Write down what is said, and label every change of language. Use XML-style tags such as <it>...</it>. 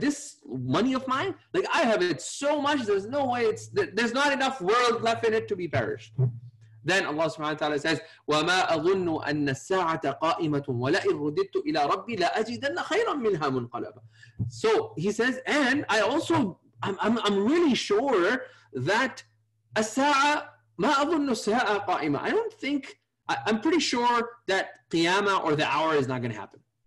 <en>This money of mine, like I have it so much, there's no way, there's not enough world left in it to be perished.</en> <ar>Then Allah subhanahu wa ta'ala says, وَمَا أَظُنُّ أَنَّ السَّاعَةَ قَائِمَةٌ وَلَئِنْ رُدِدْتُ إِلَىٰ رَبِّي لَأَجِدَنَّ خَيْرًا مِنْهَا مُنْقَلَبًا.</ar> <en>So he says, and I also, I'm really sure that</en> <ar>مَا أَظُنُّ السَّاعَةَ قَائِمَةٌ.</ar> <en>I don't think, I'm pretty sure that Qiyamah or the hour is not going to happen.</en>